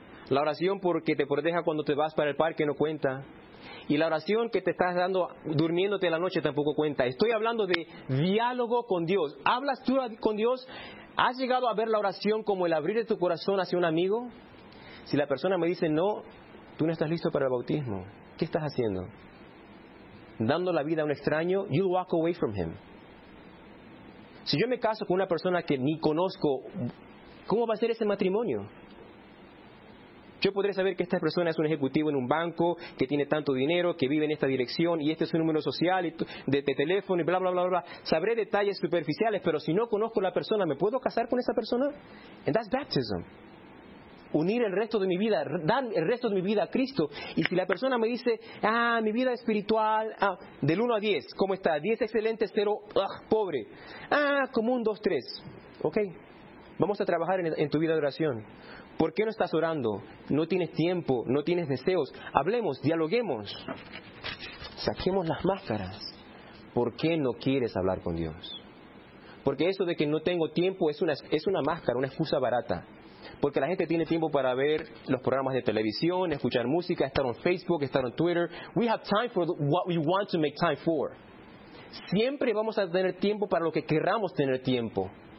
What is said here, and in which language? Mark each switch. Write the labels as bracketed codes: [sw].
[es] La oración porque te proteja cuando te vas para el parque no cuenta. Y la oración que te estás dando durmiéndote en la noche tampoco cuenta. Estoy hablando de diálogo con Dios. ¿Hablas tú con Dios? ¿Has llegado a ver la oración como el abrir de tu corazón hacia un amigo? Si la persona me dice no, tú no estás listo para el bautismo. ¿Qué estás haciendo? Dando la vida a un extraño, [en] you'll walk away from him. [es] Si yo me caso con una persona que ni conozco, ¿cómo va a ser ese matrimonio? Yo podré saber que esta persona es un ejecutivo en un banco, que tiene tanto dinero, que vive en esta dirección, y este es su número social, de teléfono, y bla, bla, bla, bla. Sabré detalles superficiales, pero si no conozco a la persona, ¿me puedo casar con esa persona? [en] And that's baptism. [es] Unir el resto de mi vida, dar el resto de mi vida a Cristo. Y si la persona me dice, mi vida espiritual, del 1 a 10, ¿cómo está? 10 excelente, 0, pobre. Como un 2, 3. Ok, vamos a trabajar en tu vida de oración. ¿Por qué no estás orando? No tienes tiempo, no tienes deseos. Hablemos, dialoguemos. Saquemos las máscaras. ¿Por qué no quieres hablar con Dios? Porque eso de que no tengo tiempo es una máscara, una excusa barata. Porque la gente tiene tiempo para ver los programas de televisión, escuchar música, estar en Facebook, estar en Twitter. [en] We have time for what we want to make time for. [es] Siempre vamos a tener tiempo para lo que queramos tener tiempo.